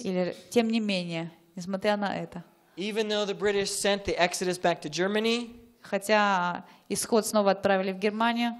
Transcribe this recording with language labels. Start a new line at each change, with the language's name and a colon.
Russian: Или тем не менее, несмотря на это.
English: Even though the British sent the Exodus back to Germany.
Russian: Хотя Исход снова отправили в Германию.